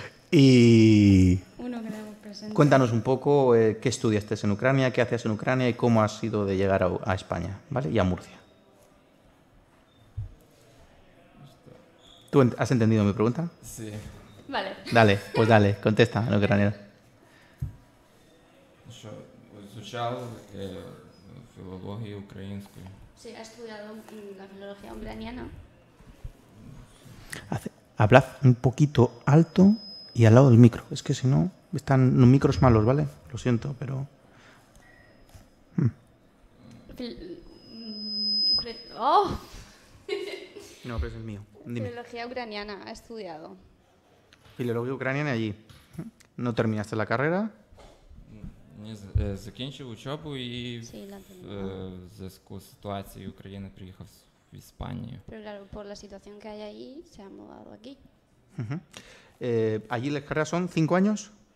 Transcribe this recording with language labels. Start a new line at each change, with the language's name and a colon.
Spanish: Y cuéntanos un poco qué estudiaste en Ucrania, qué hacías en Ucrania y cómo has sido de llegar a España, ¿vale? Y a Murcia. ¿Tú has entendido mi pregunta? Sí. Vale. Dale, pues dale, contesta en ucraniano.
Ukrainian: Що вивчав філологію українську.
Spanish: Sí, ha estudiado la filología ucraniana. Hablad un poquito alto y al lado del micro. Es que si no, están los micros malos, ¿vale? Lo siento, pero... No, pero es el mío. Dime. Filología ucraniana, ha estudiado. Filología ucraniana allí. ¿No terminaste la carrera?
Ukrainian: Закінчив учебу і зв'язку з ситуацією України приїхав в Іспанію.
Spanish: Pero claro, por la situación que hay ahí, se ha mudado aquí. Allí la carrera son 5 años.